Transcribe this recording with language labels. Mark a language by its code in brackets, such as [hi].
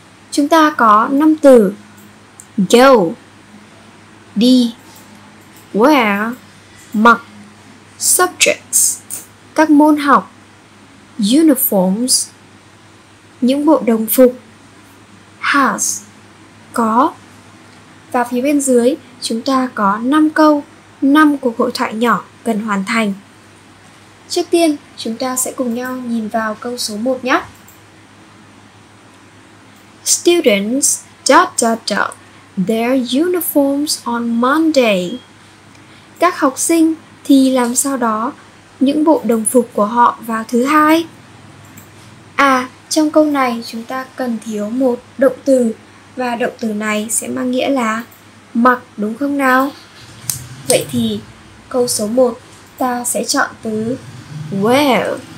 [vi] Chúng ta có 5 từ: go, đi, wear, mặc, subjects, các môn học, uniforms, những bộ đồng phục, has, có. Và phía bên dưới chúng ta có 5 câu, 5 cuộc hội thoại nhỏ cần hoàn thành. Trước tiên, chúng ta sẽ cùng nhau nhìn vào câu số 1 nhé. [en] Students dot dot dot their uniforms on Monday. [vi] Các học sinh thì làm sao đó những bộ đồng phục của họ vào thứ hai. À, trong câu này chúng ta cần thiếu một động từ và động từ này sẽ mang nghĩa là mặc, đúng không nào? Vậy thì câu số 1 ta sẽ chọn từ wear.